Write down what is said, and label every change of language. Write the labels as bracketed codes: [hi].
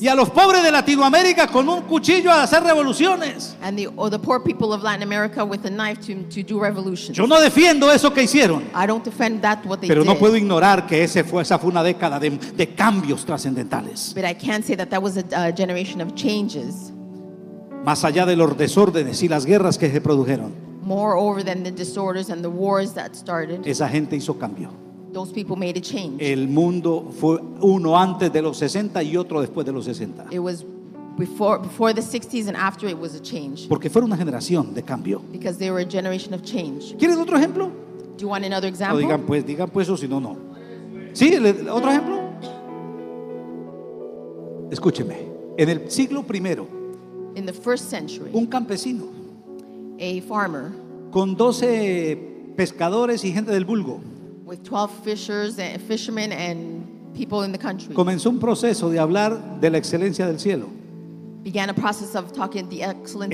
[es] Y a los pobres de Latinoamérica con un cuchillo a hacer revoluciones. [en] And the poor people of Latin America with a knife to do revolutions. [es] Yo no defiendo eso que hicieron. [en] I don't defend that what they [es] pero [en] did. [es] No puedo ignorar que esa fue una década de cambios trascendentales. [en] But I can't say that was a generation of changes. [es] Más allá de los desórdenes y las guerras que se produjeron. [en] Moreover than the disorders and the wars that started. [es] Esa gente hizo cambio. [en] Those people made a change. [es] El mundo fue uno antes de los 60 y otro después de los 60. [en] It was before the 60s and after it was a change. [es] Porque fueron una generación de cambio. [en] Because they were a generation of change. [es] ¿Quieres otro ejemplo? [en] Do you want another example? [es] O digan pues o si no, no. ¿Sí? ¿Otro ejemplo? Escúcheme. En el siglo primero. [en] In the first century, [es] un campesino, [en] a farmer, [es] con 12 pescadores y gente del vulgo, [en] with 12 fishers and fishermen and people in the country, [es] comenzó un proceso de hablar de la excelencia del cielo. [en] Began a process of talking the excellence